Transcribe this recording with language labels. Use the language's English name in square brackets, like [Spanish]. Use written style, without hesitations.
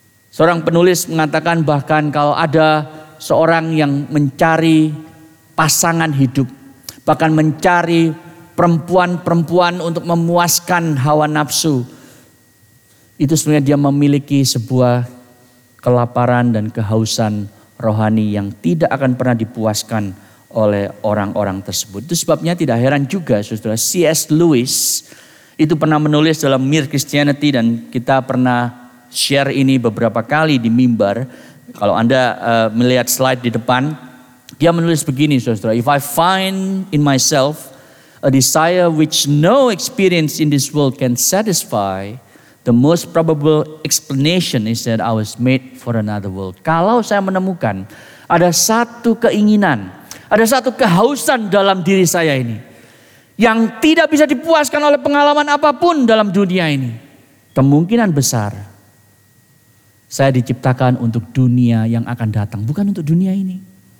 [Indonesian] Seorang penulis mengatakan bahkan kalau ada seorang yang mencari pasangan hidup, bahkan mencari perempuan-perempuan untuk memuaskan hawa nafsu, itu sebenarnya dia memiliki sebuah kelaparan dan kehausan rohani yang tidak akan pernah dipuaskan oleh orang-orang tersebut. Itu sebabnya tidak heran juga, saudara, C.S. Lewis itu pernah menulis dalam Mere Christianity dan kita pernah share ini beberapa kali di mimbar. Kalau Anda melihat slide di depan, dia menulis begini, saudara. [English] If I find in myself a desire which no experience in this world can satisfy, the most probable explanation is that I was made for another world. [Indonesian] Kalau saya menemukan ada satu keinginan, ada satu kehausan dalam diri saya ini yang tidak bisa dipuaskan oleh pengalaman apapun dalam dunia ini, kemungkinan besar saya diciptakan untuk dunia yang akan datang, bukan untuk dunia ini.